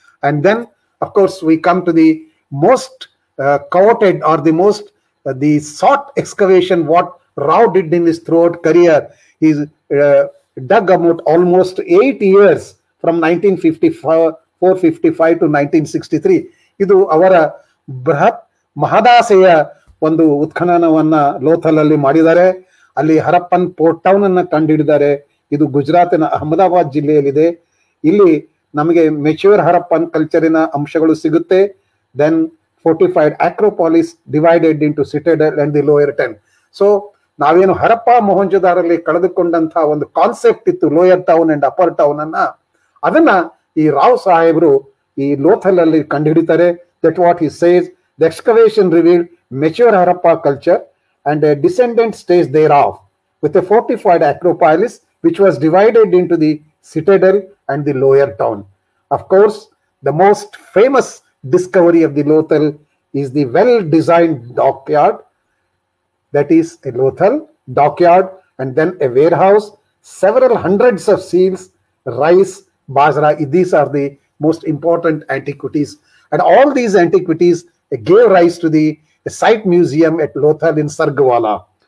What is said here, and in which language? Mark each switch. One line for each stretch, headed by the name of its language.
English: And then, of course, we come to the most coveted or the most the sought excavation, what Rao did in his throughout career. He dug about almost 8 years from 1954-55 to 1963.
Kannada: ಇದು ಅವರ ಬೃಹತ್ ಮಹದಾಸೆಯ ಒಂದು ಉತ್ಖನನವನ್ನು ಲೋಥಲಲ್ಲಿ ಮಾಡಿದ್ದಾರೆ. ಅಲ್ಲಿ Harappan port town ಅನ್ನು ಕಂಡುಹಿಡಿದ್ದಾರೆ. ಇದು ಗುಜರಾತಿನ ಅಹಮದಾಬಾದ್ ಜಿಲ್ಲೆಯಲ್ಲಿದೆ. ಇಲ್ಲಿ ನಮಗೆ ಮೆಚ್ಯೂರ್ ಹರಪ್ಪನ್ ಕಲ್ಚರಿನ ಅಂಶಗಳು ಸಿಗುತ್ತೆ.
English: Then fortified acropolis divided into citadel and the lower town.
Kannada: So ನಾವೇನು ಹರಪ್ಪ ಮೊಹೆಂಜೊದಾರೋದಲ್ಲಿ ಕಳೆದುಕೊಂಡಂತಹ ಒಂದು ಕಾನ್ಸೆಪ್ಟ್ ಇತ್ತು
English: lower town and upper town
Kannada: ಅನ್ನು, ಅದನ್ನು ಈ ರಾವ್ ಸಾಹೇಬರು ಈ ಲೋಥಲಲ್ಲಿ ಕಂಡುಹಿಡಿತಾರೆ.
English: That what he says, the excavation revealed mature Harappa culture and a descendant stage there of with a fortified acropolis which was divided into the citadel and the lower town. Of course the most famous discovery of the Lothal is the well designed dockyard. That is a Lothal dockyard and then a warehouse, several hundreds of seals, rice, bajra. These are the most important antiquities. And all these antiquities gave rise to the site museum at Lothal in Sargwala.